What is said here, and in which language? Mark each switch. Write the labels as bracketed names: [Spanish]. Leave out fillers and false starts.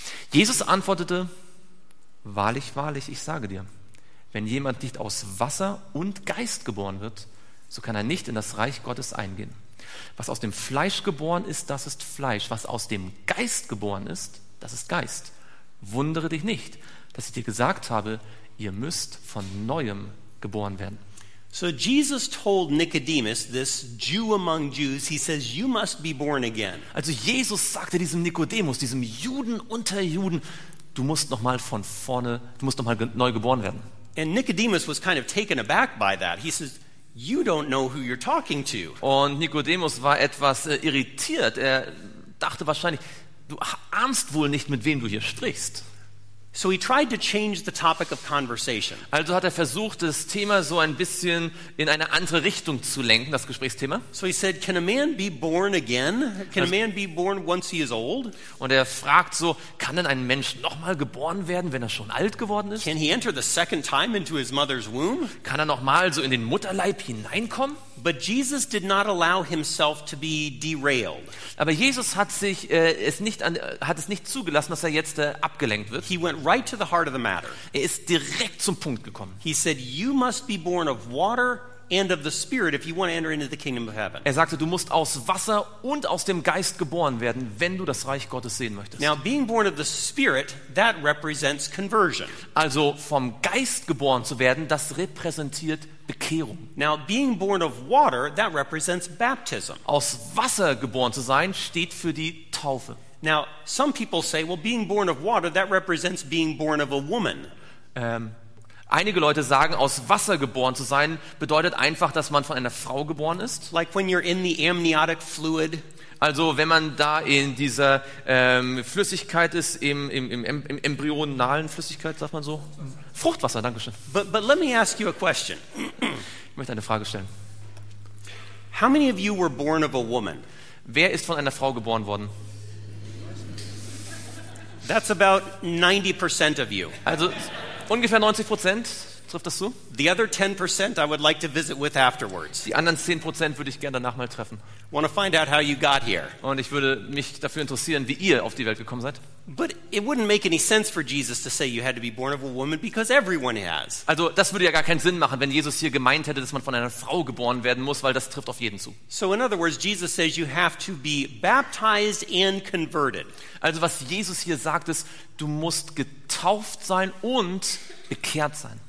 [German] Jesus antwortete: Wahrlich, wahrlich, ich sage dir, wenn jemand nicht aus Wasser und Geist geboren wird, so kann er nicht in das Reich Gottes eingehen. Was aus dem Fleisch geboren ist, das ist Fleisch. Was aus dem Geist geboren ist, das ist Geist. Wundere dich nicht, dass ich dir gesagt habe, ihr müsst von Neuem geboren werden. [English] So Jesus told Nicodemus, this Jew among Jews, he says, you must be born again. [German] Also Jesus sagte diesem Nikodemus, diesem Juden unter Juden, du musst noch mal von vorne, du musst noch mal neu geboren werden. [English] And Nicodemus was kind of taken aback by that. He says, you don't know who you're talking to. [German] Und Nikodemus war etwas irritiert. Er dachte wahrscheinlich, du ahnst wohl nicht, mit wem du hier sprichst. [English] So he tried to change the topic of conversation. [German] Also hat versucht, das Thema so ein bisschen in eine andere Richtung zu lenken, das Gesprächsthema. [English] So he said, can a man be born again? Can a man be born once he is old? [German] Und fragt so, kann denn ein Mensch nochmal geboren werden, wenn schon alt geworden ist? [English] Can he enter the second time into his mother's womb? [German] Kann nochmal so in den Mutterleib hineinkommen? [English] But Jesus did not allow himself to be derailed. [German] Aber Jesus hat sich hat es nicht zugelassen, dass jetzt abgelenkt wird. [English] He went right to the heart of the matter. [German] Ist direkt zum Punkt gekommen. [English] He said, "You must be born of water and of the Spirit if you want to enter into the kingdom of heaven." [German] Sagte, du musst aus Wasser und aus dem Geist geboren werden, wenn du das Reich Gottes sehen möchtest. [English] Now, being born of the Spirit, that represents conversion. [German] Also vom Geist geboren zu werden, das repräsentiert Bekehrung. [English] Now, being born of water, that represents baptism. [German] Aus Wasser geboren zu sein, steht für die Taufe. [English] Now, some people say, well, being born of water, that represents being born of a woman. [German] Einige Leute sagen, aus Wasser geboren zu sein, bedeutet einfach, dass man von einer Frau geboren ist. [English] Like when you're in the amniotic fluid. [German] Also wenn man da in dieser Flüssigkeit ist, im embryonalen Flüssigkeit, sagt man so. Fruchtwasser, dankeschön. [English] But let me ask you a question. [German] Ich möchte eine Frage stellen. [English] How many of you were born of a woman? [German] Wer ist von einer Frau geboren worden? [English] That's about 90% of you. [German] Also ungefähr 90% trifft das zu. [English] The other 10% I would like to visit with afterwards. [German] Die anderen 10% würde ich gerne danach mal treffen. [English] Want to find out how you got here. [German] Und ich würde mich dafür interessieren, wie ihr auf die Welt gekommen seid. [English] But it wouldn't make any sense for Jesus to say you had to be born of a woman because everyone has. [German] Also, das würde ja gar keinen Sinn machen, wenn Jesus hier gemeint hätte, dass man von einer Frau geboren werden muss, weil das trifft auf jeden zu. [English] So in other words, Jesus says you have to be baptized and converted. [German] Also, was Jesus hier sagt, ist, du musst getauft sein und bekehrt sein.